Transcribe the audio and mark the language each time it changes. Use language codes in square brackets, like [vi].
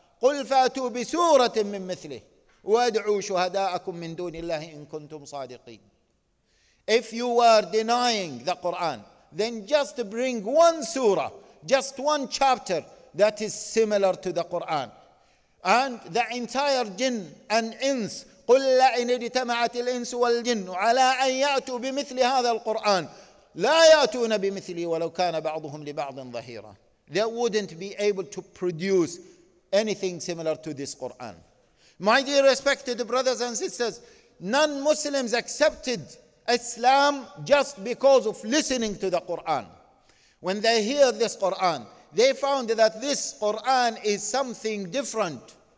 [ar] قُلْ فَأْتُوا بِسُورَةٍ مِّن مِثْلِهِ وَأَدْعُوا شُهَدَاءَكُمْ مِّن دُونِ اللَّهِ إِن كُنْتُمْ صَادِقِينَ. [en] If you were denying the Quran, then just bring one surah, just one chapter, that is similar to the Quran. And the entire jinn and ins, [ar] قُلْ لَعِنِ اجْتَمَعَتِ الْإِنْسُ وَالْجِنُّ عَلَىٰ أَنْ يَأْتُوا بِمِثْلِ هَذَا الْقُرْآنِ لَا يَأْتُونَ بِمِثْلِ وَلَوْ كَانَ بَعْضُهُمْ لِبَعْضٍ ظَهِيرًا. [en] They wouldn't be able to produce anything similar to this Quran. My dear respected brothers and sisters, non-Muslims accepted Islam just because of listening to the Quran. When they hear this Quran, they found that this Quran is something different.